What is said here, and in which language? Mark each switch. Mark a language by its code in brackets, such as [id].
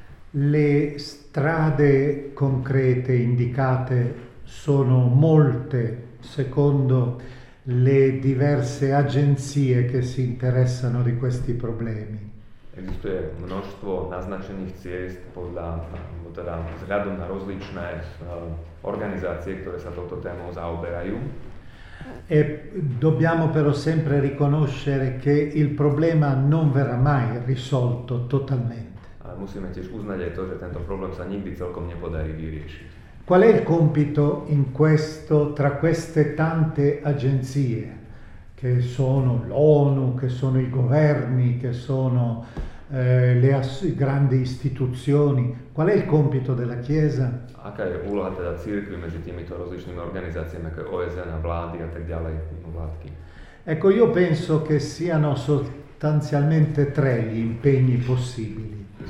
[it] Le strade concrete indicate sono molte, secondo le diverse agenzie che si interessano di questi problemi. [sk] Existuje množstvo naznačených ciest podľa, teda vzhľadom na rozličné organizácie, ktoré sa touto témou zaoberajú. [it] E dobbiamo però sempre riconoscere che il problema non verrà mai risolto totalmente. [sk] Musíme tiež uznať aj to, že tento problém sa nikdy celkom nepodarí vyriešiť. [it] Qual è il compito in questo tra queste tante agenzie che sono l'ONU, che sono i governi, che sono le grandi istituzioni? Qual è il compito della Chiesa? [sk] Aká je úloha teda cirkvi medzi týmito rozličnými organizáciami ako OSN a vlády a tak ďalej, vládky? [it] Ecco, io penso che siano sostanzialmente tre gli impegni possibili.